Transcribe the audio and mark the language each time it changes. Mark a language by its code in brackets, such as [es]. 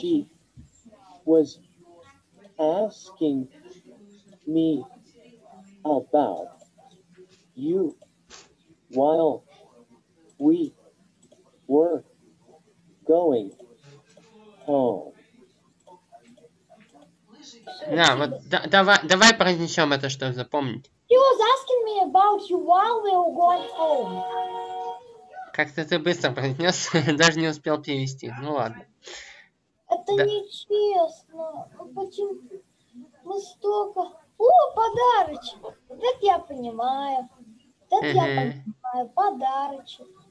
[en] She was asking me about you while we were going home. [ru] Да, вот давай произнесем это, чтобы запомнить. [en] He was asking me about you while we were going home. [ru] Как-то ты быстро произнес, даже не успел перевести. Ну ладно. Это да. Нечестно. Ну почему? Мы столько... О, подарочек! Так я понимаю. Подарочек.